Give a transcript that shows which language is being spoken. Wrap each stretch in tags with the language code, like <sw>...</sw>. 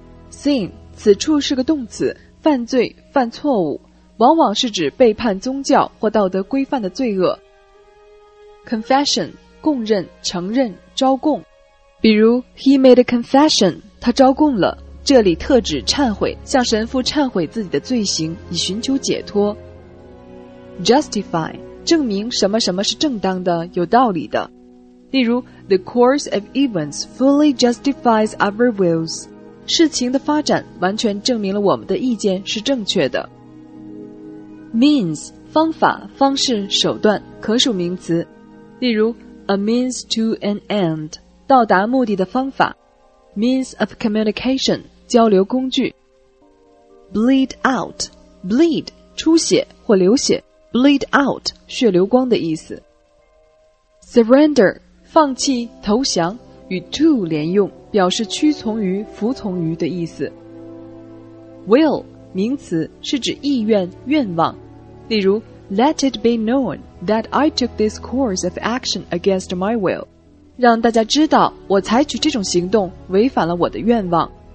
<zh>Sin, 此处是个动词，犯罪、犯错误，往往是指背叛宗教或道德规范的罪恶。 Confession, 供认、承认、招供。比如</zh> <en>He made a confession,</en> <zh>他招供了。这里特指忏悔，向神父忏悔自己的罪行，以寻求解脱。 Justify, 证明什么什么是正当的、有道理的。例如</zh> <en>The course of events fully justifies our wills.</en> <zh>事情的发展完全证明了我们的意见是正确的。 Means, 方法、方式、手段，可数名词。例如</zh> <en>A means to an end,</en> <zh>到达目的的方法。 Means of communication,交流工具。Bleed out, bleed, 出血或流血。 Bleed out, 血流光的意思。Surrender, 放弃、投降，与 to 连用，表示屈从于、服从于的意思。 Will, 名词，是指意愿、愿望。例如</zh> <en>Let it be known that I took this course of action against my will.</en> <zh>让大家知道我采取这种行动违反了我的愿望。</zh>